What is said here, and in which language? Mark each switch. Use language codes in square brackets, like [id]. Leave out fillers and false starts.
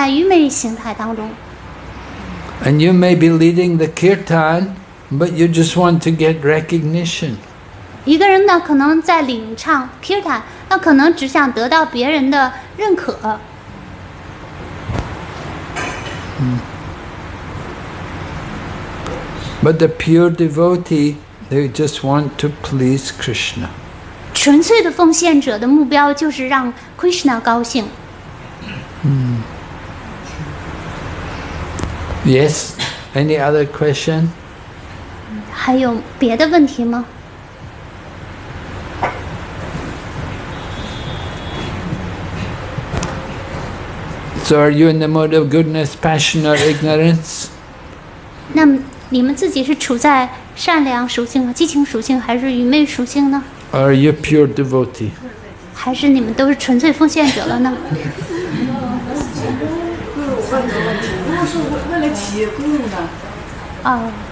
[zh] 一个人可能他是做普扎瑞的，但可能是在愚昧形态当中。 [en] And you may be leading the kirtan, but you just want to get recognition. [zh] 一个人呢可能在领唱 kirtan, 那可能只想得到别人的认可。 [en] But the pure devotee, they just want to please Krishna. [zh] 纯粹的奉献者的目标就是让 Krishna 高兴。 [en] Yes, any other question? [zh] 还有别的问题吗？ [en] So are you in the mode of goodness, passion or ignorance? [zh] 那你们自己是处在善良属性、激情属性还是愚昧属性呢？ [en] Or are you pure devotee? [zh] 还是你们都是纯粹奉献者了呢？如果是为了企业雇佣呢？